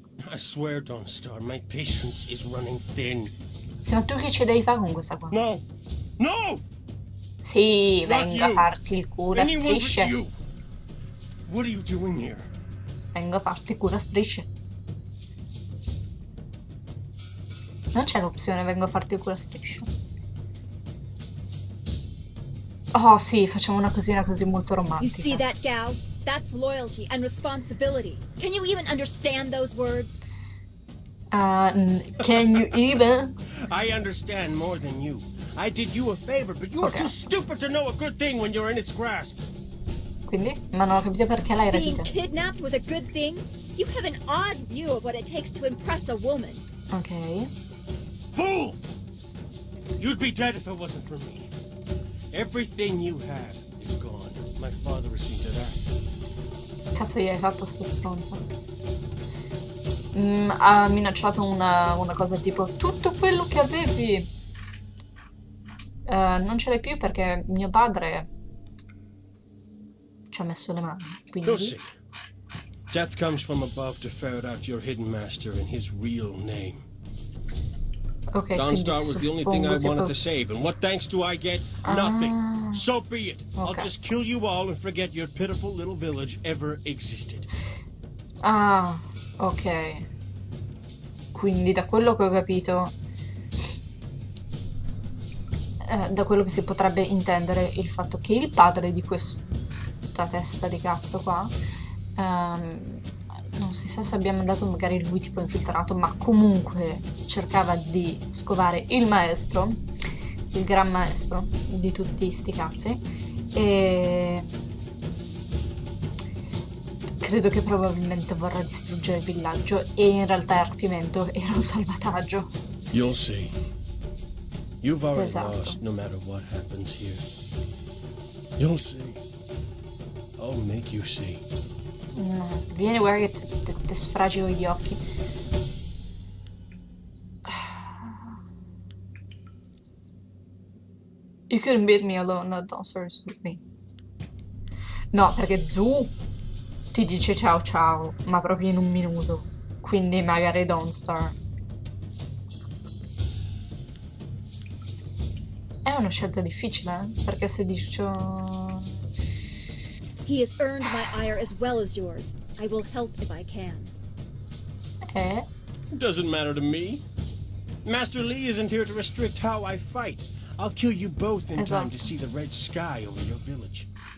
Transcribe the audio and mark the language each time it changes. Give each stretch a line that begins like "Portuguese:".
English: I swear, Dawnstar, my patience is running thin.
Italian: Sì, ma tu che ci devi fare con questa qua?
English: No! No!
Italian: Sì, vengo a farti il culo a strisce.
English: What are you doing here?
Italian: Vengo a farti culo a strisce. Non c'è l'opzione vengo a farti culo a strisce. Oh sì, facciamo una cosina così molto romantica.
English: You see that, Gao? That's loyalty and responsibility. Can you even understand those words? Can you even? I understand more than you. I did you a favor, but you are too stupid to know a good thing when you're in its grasp.
Italian: Quindi? Ma non ho capito perché l'hai rapita.
English: Being kidnapped was a good thing? You have an odd view of what it takes to impress a woman. Okay. Fools! You'd be dead if it wasn't for me. Everything you have is gone. My father has seen to that.
Italian: Cazzo, gli hai fatto sto stronzo? Ha minacciato una cosa tipo tutto quello che avevi. Non ce l'hai più perché mio padre ci ha messo le mani. Quindi.
English: You'll see. Death comes from above to ferret out your hidden master and his real name. Okay, Dawnstar was the only thing I wanted to save, and what thanks do I get? Nothing. So be it. Oh, I'll just kill you all and forget your pitiful little village ever existed.
Italian: Ah, ok. Quindi da quello che ho capito, da quello che si potrebbe intendere il fatto che il padre di questa testa di cazzo qua, non si sa se abbia mandato magari lui tipo infiltrato, ma comunque cercava di scovare il maestro, il gran maestro di tutti sti cazzi, e credo che probabilmente vorrà distruggere il villaggio, e in realtà il rapimento era un salvataggio.
English: You'll see. You've already lost no matter what happens here. You'll see. I'll make you see.
Italian: No, vieni a guardare che ti sfragio gli occhi.
English: You couldn't beat me alone, no, don't start with me.
Italian: No, perché Zu ti dice ciao ciao, ma proprio in un minuto. Quindi magari don't start. È una scelta difficile, perché se dice...
English: He has earned my ire as well as yours. I will help if I can. Eh? Doesn't matter to me. Master Lee isn't here to restrict how I fight. I'll kill you both in time to see the red sky over your village.